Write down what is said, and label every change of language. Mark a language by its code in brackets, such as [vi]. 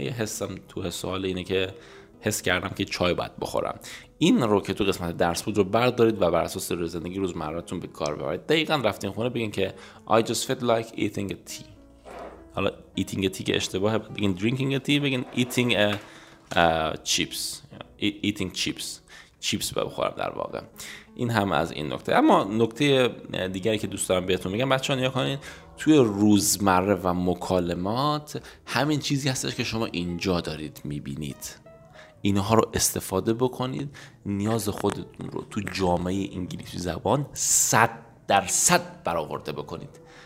[fa] یه حسم تو سوال اینه که حس کردم که چای باید بخورم. این رو که تو قسمت درس بود رو بردارید و بر اساس زندگی روزمرهتون به کار ببرید. دقیقا رفتین خونه بگین که [en] I just felt like eating a tea. [fa] حالا [en] eating a tea [fa] که اشتباهه، بگین [en] drinking a tea، [fa] بگین [en] eating chips. Eating chips. [fa] چیپس بخورم در واقع. این هم از این نکته. اما نکته دیگری که دوست دارم بهتون میگم بچه ها، نیا کنین توی روزمره و مکالمات همین چیزی هستش که شما اینجا دارید میبینید، اینها رو استفاده بکنید. نیاز خودتون رو تو جامعه انگلیسی زبان 100% برآورده بکنید.